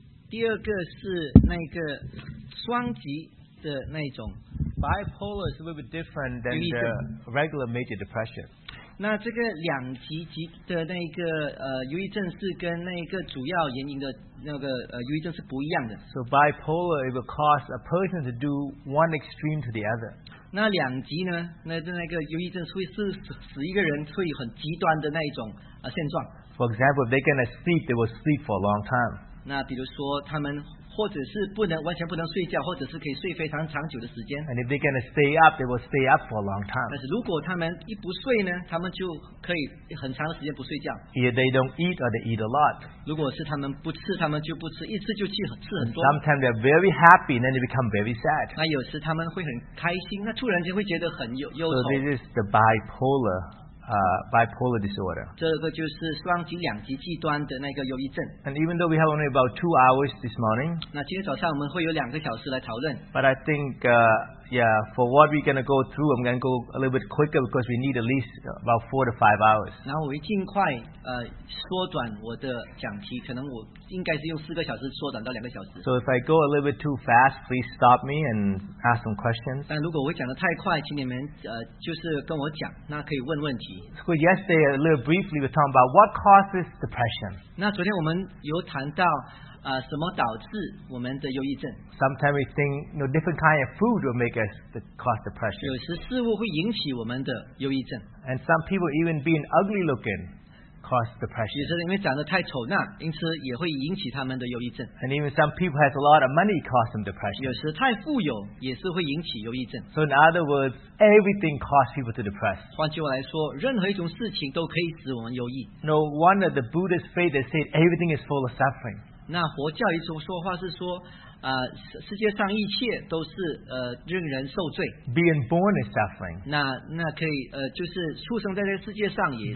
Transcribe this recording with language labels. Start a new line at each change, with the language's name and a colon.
Chinese: 第二个是那个双极的那种。
English: Bipolar is a little bit different than the regular major depression.
Chinese: 那这个两极极的那个忧郁症是跟那个主要原因的那个忧郁症是不一样的。
English: So bipolar, it will cause a person to do one extreme to the other.
Chinese: 那两极呢？那个忧郁症会是使一个人会很极端的那一种现状。
English: For example, if they cannot sleep, they will sleep for a long time.
Chinese: 那比如说他们。或者是不能完全不能睡觉，或者是可以睡非常长久的时间。
English: And if they're gonna stay up, they will stay up for a long time.
Chinese: 但是如果他们一不睡呢，他们就可以很长的时间不睡觉。
English: If they don't eat or they eat a lot.
Chinese: 如果是他们不吃，他们就不吃，一吃就吃很多。
English: Sometimes they're very happy, then they become very sad.
Chinese: 那有时他们会很开心，那突然间会觉得很忧愁。
English: So this is the bipolar disorder.
Chinese: 这个就是双极两极极端的那个忧郁症。
English: And even though we have only about 2 hours this morning,
Chinese: 那今天早上我们会有两个小时来讨论。
English: But I think, for what we're gonna go through, I'm gonna go a little bit quicker because we need at least about 4 to 5 hours.
Chinese: 然后我会尽快缩短我的讲题，可能我应该是用四个小时缩短到两个小时。
English: So if I go a little bit too fast, please stop me and ask some questions.
Chinese: 但如果我讲的太快，请你们就是跟我讲，那可以问问题。
English: So yesterday, a little briefly, we talked about what causes depression.
Chinese: 那昨天我们有谈到什么导致我们的忧郁症。
English: Sometimes we think, different kind of food will make us cause depression.
Chinese: 有时事物会引起我们的忧郁症。
English: And some people even being ugly looking cause depression.
Chinese: 有时因为长得太丑那因此也会引起他们的忧郁症。
English: And even some people has a lot of money cause them depression.
Chinese: 有时太富有也是会引起忧郁症。
English: So in other words, everything causes people to depress.
Chinese: 换句话来说，任何一种事情都可以使我们忧郁。
English: No wonder the Buddhist faith has said everything is full of suffering.
Chinese: 那佛教一种说话是说世界上一切都是令人受罪。
English: Being born is suffering.
Chinese: 那可以就是出生在这个世界上也是一个罪。